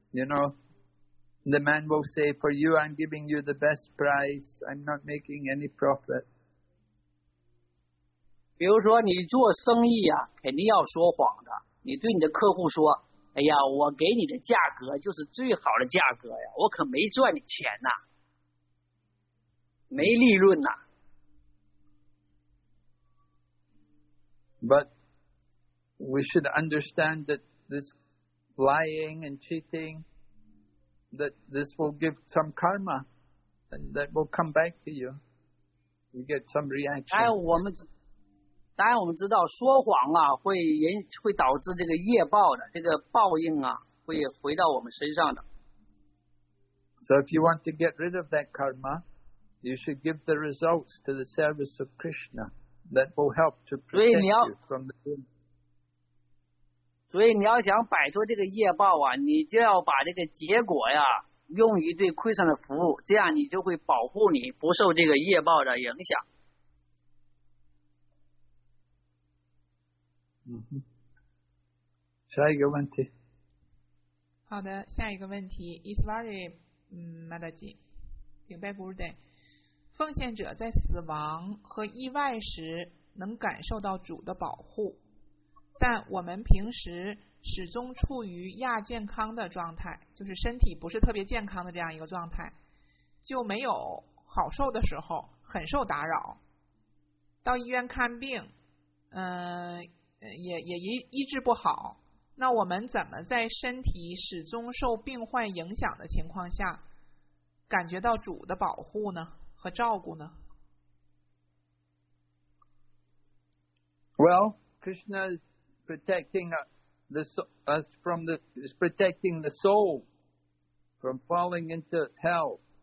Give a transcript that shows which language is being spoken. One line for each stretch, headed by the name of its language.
English: You know, the man will say, for you, I'm giving you the best price. I'm not making any profit.
Chinese: 比如说你做生意啊，肯定要说谎的。你对你的客户说，哎呀，我给你的价格就是最好的价格呀，我可没赚你钱呐，没利润呐。
English: But we should understand that this lying and cheating,that this will give some karma and that will come back to you. You get some reaction.
Chinese: 当然我们知道说谎啊会导致这个业报的，这个报应啊会回到我们身上的。
English: So if you want to get rid of that karma, you should give the results to the service of Krishna. That will help to protect you from the sin.
Chinese: 所以你要想摆脱这个业报啊，你就要把这个结果呀用于对 Krishna 的服务，这样你就会保护你不受这个业报的影响。嗯，下一个问题。好的，下一个问题 ，Iswari Madaji， 顶拜 Guru Day， 奉献者在死亡和意外时能感受到主的保护。但我们平时始终处于亚健康的状态，就是身体不是特别健康的这样一个状态，就没有好受的时候，很受打扰。到医院看病，也医治不好。那我们怎么在身体始终受病患影响的情况下，感觉到主的保护呢和照顾呢
English: ？Well, Krishna. Protecting us from the is protecting the soul from falling into hell.